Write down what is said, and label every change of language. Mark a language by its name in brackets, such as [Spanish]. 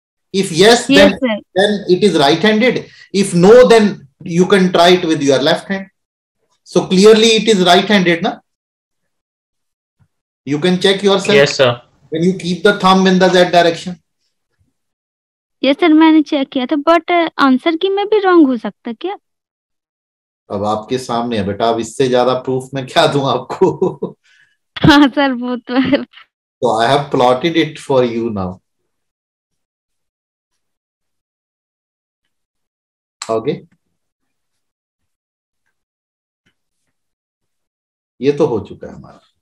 [English] If yes, yes then it is right-handed. If no, then you can try it with your left hand. So clearly it is right-handed, na? You can check yourself. Yes, sir. When you keep the thumb in the Z direction. Yes, sir. [Hindi] मैंने check किया था, but answer की मैं भी wrong हो सकता क्या? अब आपके सामने है बेटा, अब इससे ज़्यादा proof मैं क्या दूँ आपको? हाँ, sir, बहुत well. [English] So I have plotted it for you now. Okay. [Hindi] ये तो हो चुका है हमारा.